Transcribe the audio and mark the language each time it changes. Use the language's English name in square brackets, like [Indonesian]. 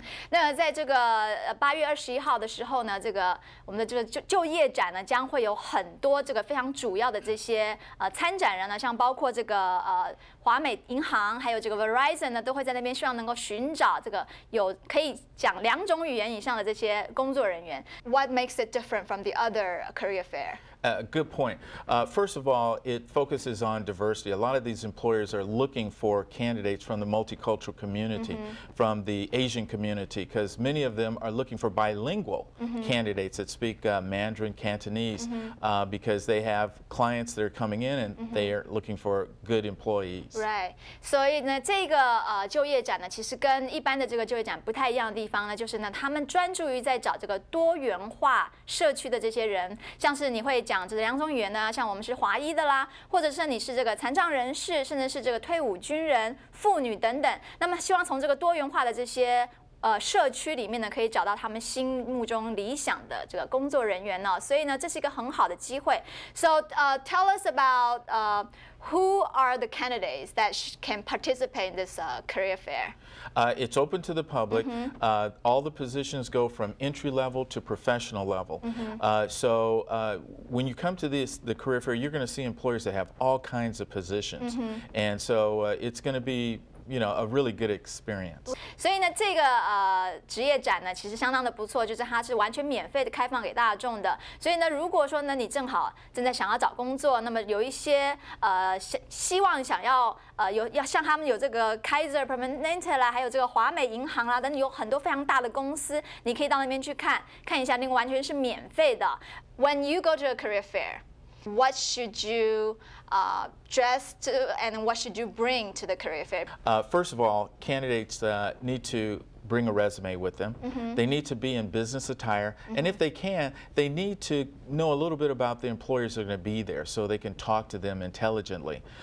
[Chinese] 那在这个8月21号的时候呢，这个我们的这个就业展呢，将会有很多这个非常主要的这些参展人呢，像包括这个华美银行，还有这个 Verizon 呢，都会在那边，希望能够寻找这个有可以讲两种语言以上的这些工作人员。 [English] What makes it different from the other career fair? Good point. First of all, it focuses on diversity. A lot of these employers are looking for candidates from the multicultural community, mm-hmm. from the Asian community, because many of them are looking for bilingual mm-hmm. candidates that speak Mandarin, Cantonese, mm-hmm. Because they have clients that are coming in and mm-hmm. they are looking for good employees. Right. [Chinese] 所以呢，这个就业展呢，其实跟一般的这个就业展不太一样的地方呢，就是呢，他们专注于在找这个多元化社区的这些人，像是你会。讲这两种语言呢，像我们是华裔的啦，或者是你是这个残障人士，甚至是这个退伍军人、妇女等等。那么希望从这个多元化的这些社区里面呢，可以找到他们心目中理想的这个工作人员呢、哦。所以呢，这是一个很好的机会。 [English] So, tell us about who are the candidates that can participate in this career fair? It's open to the public. Mm-hmm. All the positions go from entry level to professional level. Mm-hmm. So when you come to the career fair, you're going to see employers that have all kinds of positions. Mm-hmm. And so it's going to be... You know, a really good experience. [Chinese] 所以呢，这个职业展呢，其实相当的不错，就是它是完全免费的，开放给大众的。所以呢，如果说呢，你正好正在想要找工作，那么有一些希望想要有要像他们有这个 Kaiser Permanente 啦，还有这个华美银行啦，等有很多非常大的公司，你可以到那边去看看一下，那个完全是免费的。 [English] When you go to a career fair. What should you dress to, and what should you bring to the career fair? First of all, candidates need to bring a resume with them. Mm-hmm. They need to be in business attire. Mm-hmm. And if they can, they need to know a little bit about the employers that are going to be there so they can talk to them intelligently.